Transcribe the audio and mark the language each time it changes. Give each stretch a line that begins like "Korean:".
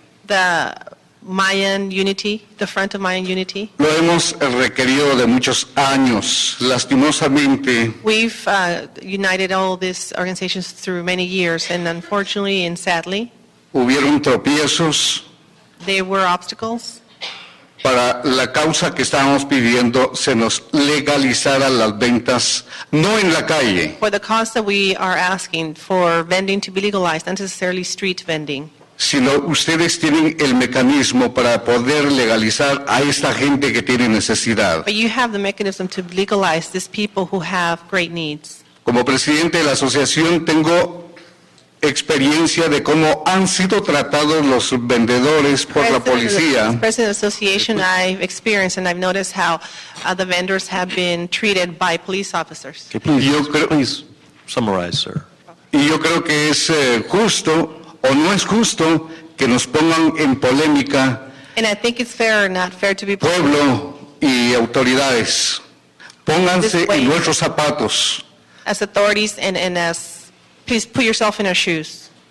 English: The Mayan Unity, the Front of Mayan Unity.
Spanish: Lo hemos requerido de muchos años, lastimosamente.
English: We've united all these organizations through many years, and unfortunately and sadly.
Spanish: Hubieron tropiezos.
English: They were obstacles.
Spanish: Para la causa que estábamos pidiendo se nos legalizaran las ventas, no en la calle.
English: For the cause that we are asking for vending to be legalized, not necessarily street vending.
Spanish: Sino ustedes tienen el mecanismo para poder legalizar a esta gente que tiene necesidad.
English: But you have the mechanism to legalize these people who have great needs.
Spanish: Como presidente de la asociación tengo experiencia de cómo han sido tratados los vendedores por
English: president
Spanish: la policía.
English: As president of the association, I've experienced and I've noticed how the vendors have been treated by police officers. Please summarize, sir.
Spanish: Y yo creo que es justo o no es justo que nos pongan en polémica.
English: And I think it's fair or not fair to be
Spanish: pueblo y autoridades. Pónganse en nuestros zapatos.
English: As authorities and as please put yourself in our shoes.